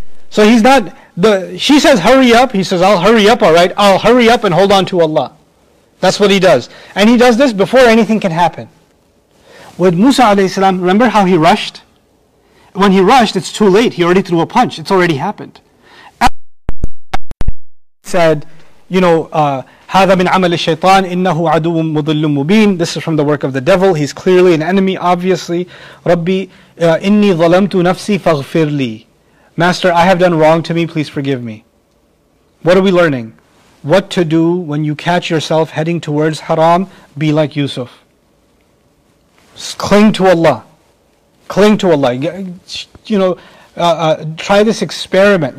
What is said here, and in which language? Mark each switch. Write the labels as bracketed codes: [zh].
[en] So he's not the. She says, "Hurry up." He says, "I'll hurry up. All right, I'll hurry up and hold on to Allah." That's what he does, and he does this before anything can happen. With Musa alayhi salam, remember how he rushed? When he rushed, it's too late. He already threw a punch. It's already happened. Said, you know, [ar] هذا من عمل الشيطان إنه عدو مضل مبين. [en] This is from the work of the devil. He's clearly an enemy, obviously. [ar] ربي إني ظلمت نفسي فاغفر لي. [en] Master, I have done wrong to me. Please forgive me. What are we learning? What to do when you catch yourself heading towards haram? Be like Yusuf. Cling to Allah. Cling to Allah. You know, try this experiment.